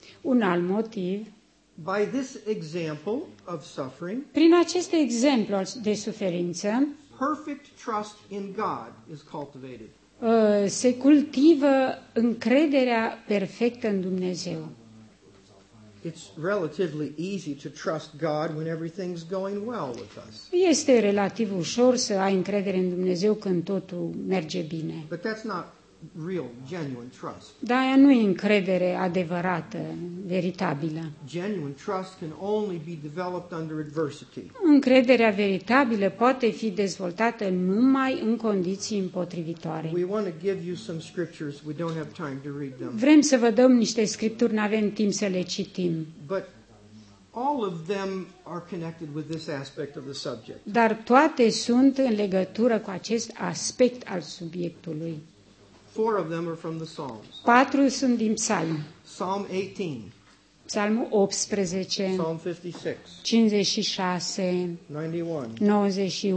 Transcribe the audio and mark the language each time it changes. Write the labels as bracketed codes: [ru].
[ro] Un alt motiv. [en] By this example of suffering, [ro] prin acest exemplu de suferință, [en] perfect trust in God is cultivated. [ro] Se cultivă încrederea perfectă în Dumnezeu. [en] It's relatively easy to trust God when everything's going well with us. [ro] Este relativ ușor să ai încredere în Dumnezeu când totul merge bine. [en] But that's not real, genuine trust. [ro] Dar aia nu e încredere adevărată, veritabilă. [en] Genuine trust can only be developed under adversity. [ro] Încrederea veritabilă poate fi dezvoltată numai în condiții împotrivitoare. [en] We want to give you some scriptures. We don't have time to read them. [ro] Vrem să vă dăm niște scripturi, n-avem timp să le citim. [en] But all of them are connected with this aspect of the subject. [ro] Dar toate sunt în legătură cu acest aspect al subiectului. [en] Four of them are from the Psalms. [ro] Patru sunt din Psalm. [en] Psalm 18. [ro] Psalmul 18. [en] Psalm 56. [ro] 56. [en] 91. [ro] 91.